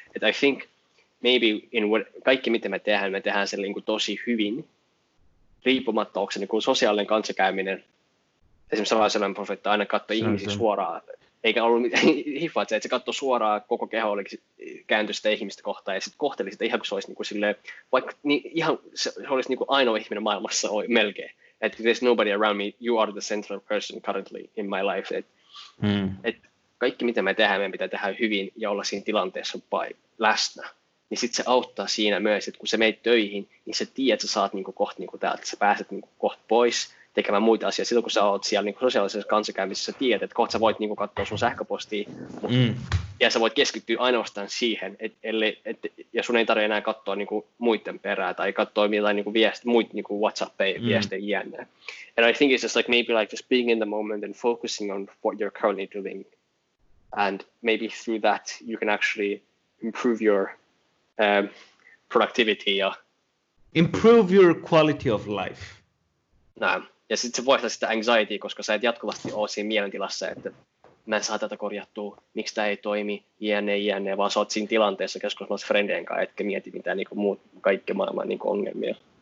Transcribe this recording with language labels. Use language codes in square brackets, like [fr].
[fi] Et [en] I think maybe in what, [fi] kaikki mitä me tehdään sen niin kuin tosi hyvin, riippumatta onko se niin kuin sosiaalinen kanssakäyminen, esimerkiksi salaiselämän profeetta aina katsoi ihmisiä suoraan, eikä ollut mitään hiffaa, että se katsoi suoraan koko keho oli kääntynyt sitä ihmistä kohtaan ja sitten kohteli sitä ihan kuin se olisi niin kuin silleen, vaikka niin ihan se olisi niin kuin ainoa ihminen maailmassa melkein. Et [en] there's nobody around me, you are the central person currently in my life. [fi] Et kaikki mitä me tehdään, meidän pitää tehdä hyvin ja olla siinä tilanteessa läsnä. niin sitten se auttaa siinä myös, että kun sä meet töihin, niin sä tiedät, että sä saat niinku kohta niinku täältä, että sä pääset niinku kohta pois tekemään muita asioita. Silloin kun sä oot siellä niinku sosiaalisessa kanssakäymisessä, sä tiedät, että kohta sä voit niinku katsoa sun sähköpostia, ja sä voit keskittyä ainoastaan siihen, ja sun ei tarvitse enää katsoa niinku muiden perää tai katsoa jotain niinku viestiä, muita niinku WhatsApp-viestejä jne. [en] And I think it's just like maybe like just being in the moment and focusing on what you're currently doing. And maybe through that you can actually improve your productivity [fi] ja [en] improve your quality of life. [fi] Näin. Ja sitten se voittaa sitä anxietyä, koska sä et jatkuvasti ole siinä mielentilassa, että mä en saa tätä korjattua, miksi tämä ei toimi, jne, vaan sä oot siinä tilanteessa keskustelussa frendien kanssa, etkä mieti mitään niin muut kaikki maailman niin ongelmia.